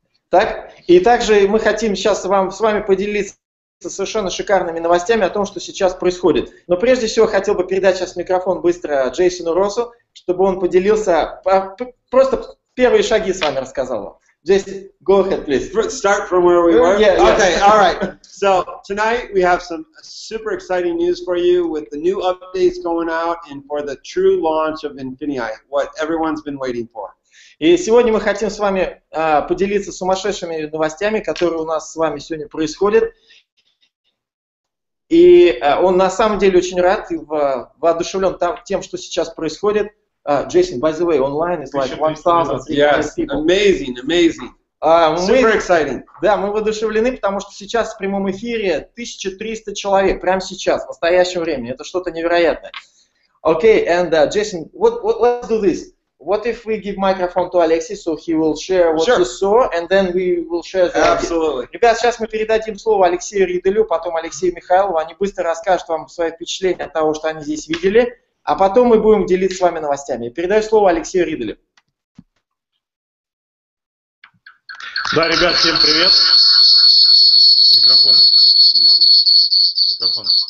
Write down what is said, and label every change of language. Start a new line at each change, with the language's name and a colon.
Russian: Так, и также мы хотим сейчас с вами поделиться совершенно шикарными новостями о том, что сейчас происходит. Но прежде всего хотел бы передать сейчас микрофон быстро Джейсону Россу, чтобы он поделился, просто первые шаги с вами рассказал. Джейсон,
English: go ahead, please. Start from where we were? Yeah, yeah. Okay, all right. So tonight we have some super exciting news for you with the new updates going out and for the true launch of Infinii, what everyone's been waiting for.
Russian: И сегодня мы хотим с вами поделиться сумасшедшими новостями, которые у нас с вами сегодня происходят. И он на самом деле очень рад и воодушевлен тем, что сейчас происходит.
English: Джейсон, by the way, online is like 1,000 yes. people. Amazing. Super exciting.
Russian: Да, мы воодушевлены, потому что сейчас в прямом эфире 1300 человек, прямо сейчас, в настоящем времени. Это что-то невероятное.
English: Okay, and Джейсон, let's do this. What if we give microphone to Alexey, so he will share what sure. he saw, and then we will share the Absolutely.
Russian: Ребят, сейчас мы передадим слово Алексею Риделю, потом Алексею Михайлову. Они быстро расскажут вам свои впечатления от того, что они здесь видели. А потом мы будем делиться с вами новостями. Передаю слово Алексею Риделю. Да, ребят, всем привет. Микрофон. Микрофон.